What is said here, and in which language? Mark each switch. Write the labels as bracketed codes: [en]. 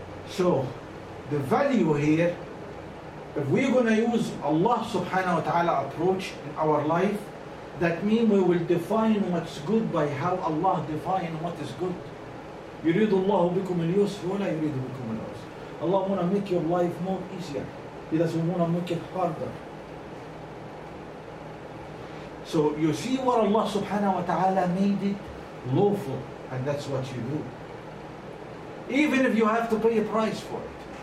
[en] So, the value here, if we're going to use Allah subhanahu wa ta'ala approach in our life, that means we will define what's good by how Allah define what is good. [ar] يريد الله بكم اليسر ولا يريد بكم العسر. [en] Allah want to make your life more easier. He doesn't want to make it harder. So you see what Allah subhanahu wa ta'ala made it lawful, and that's what you do. Even if you have to pay a price for it.